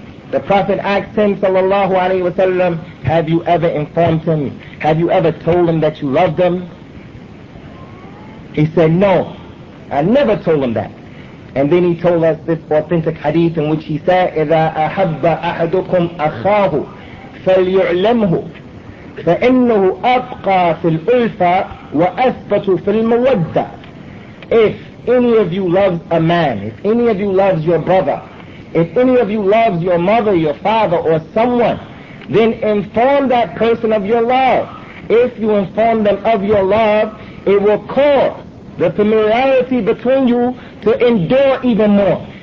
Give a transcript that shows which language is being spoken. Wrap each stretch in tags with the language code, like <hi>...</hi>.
<en>The Prophet asked him, sallallahu alaihi wasallam, have you ever informed him? Have you ever told him that you loved him? He said, no, I never told him that. And then he told us this authentic hadith in which he said,</en> <ar>إِذَا أَحَبَّ أَحَدُكُمْ أَخَاهُ فَلْيُعْلَمْهُ. فإنه أبقى في الألفة وأثبت في المودة.</ar> <en>If any of you loves a man, if any of you loves your brother, if any of you loves your mother, your father, or someone, then inform that person of your love. If you inform them of your love, it will cause the familiarity between you to endure even more.</en>